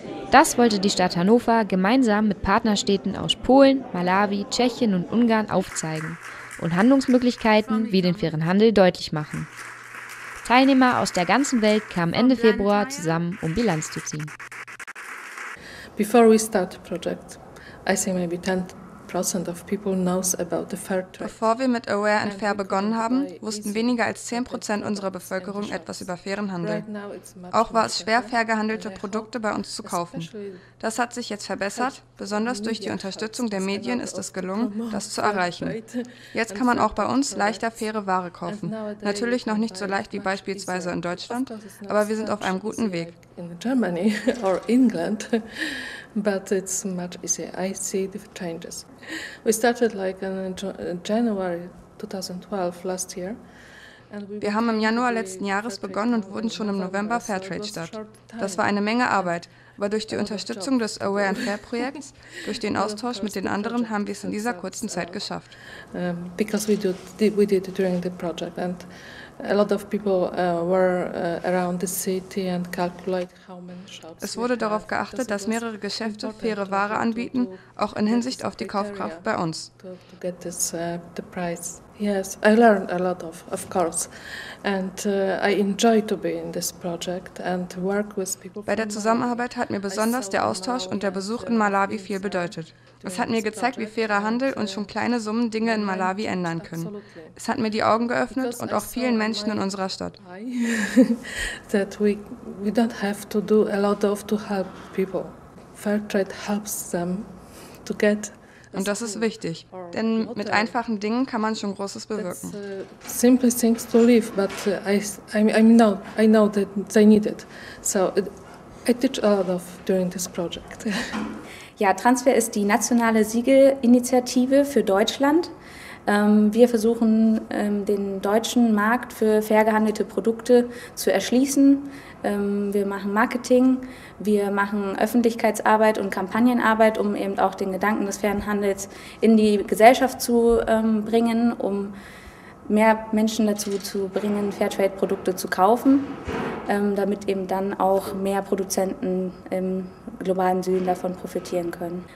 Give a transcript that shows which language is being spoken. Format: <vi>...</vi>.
<de>Das wollte die Stadt Hannover gemeinsam mit Partnerstädten aus Polen, Malawi, Tschechien und Ungarn aufzeigen und Handlungsmöglichkeiten wie den fairen Handel deutlich machen. Teilnehmer aus der ganzen Welt kamen Ende Februar zusammen, um Bilanz zu ziehen.</de> <en>Before we start the project, I say maybe 10% of people knows about the fair trade.</en> <de>Bevor wir mit Aware and Fair begonnen haben, wussten weniger als 10% unserer Bevölkerung etwas über fairen Handel. Auch war es schwer, fair gehandelte Produkte bei uns zu kaufen. Das hat sich jetzt verbessert. Besonders durch die Unterstützung der Medien ist es gelungen, das zu erreichen. Jetzt kann man auch bei uns leichter faire Ware kaufen. Natürlich noch nicht so leicht wie beispielsweise in Deutschland, aber wir sind auf einem guten Weg.</de> <en>In Germany or England, but it's much easier. I see the changes. We started like in January 2012 last year.</en> <de>Wir haben im Januar letzten Jahres begonnen und wurden schon im November Fairtrade-Stadt. Das war eine Menge Arbeit, aber durch die Unterstützung des Aware and Fair-Projekts, durch den Austausch mit den anderen, haben wir es in dieser kurzen Zeit geschafft.</de> <en>Because we did during the project and a lot of people were around the city and calculate how many shops.</en> <de>Es wurde darauf geachtet, dass mehrere Geschäfte faire Ware anbieten, auch in Hinsicht auf die Kaufkraft bei uns.</de> <en>To get this, the price. Yes, I learned a lot of course, and I enjoy to be in this project and work with people.</en> <de>Bei der Zusammenarbeit hat mir besonders der Austausch und der Besuch in Malawi viel bedeutet. Es hat mir gezeigt, wie fairer Handel und schon kleine Summen Dinge in Malawi ändern können. Es hat mir die Augen geöffnet und auch vielen Menschen in unserer Stadt.</de> <en>That we don't have to do a lot of to help people. Fair trade helps them to get.</en> <de>Und das ist wichtig, denn mit einfachen Dingen kann man schon Großes bewirken.</de> <en>Simple things to live, but I know that they need it. So I teach a lot of during this project.</en> <de>Ja, Transfair ist die nationale Siegelinitiative für Deutschland. Wir versuchen, den deutschen Markt für fair gehandelte Produkte zu erschließen. Wir machen Marketing, wir machen Öffentlichkeitsarbeit und Kampagnenarbeit, um eben auch den Gedanken des fairen Handels in die Gesellschaft zu bringen, um mehr Menschen dazu zu bringen, Fairtrade-Produkte zu kaufen, damit eben dann auch mehr Produzenten im globalen Süden davon profitieren können.</de>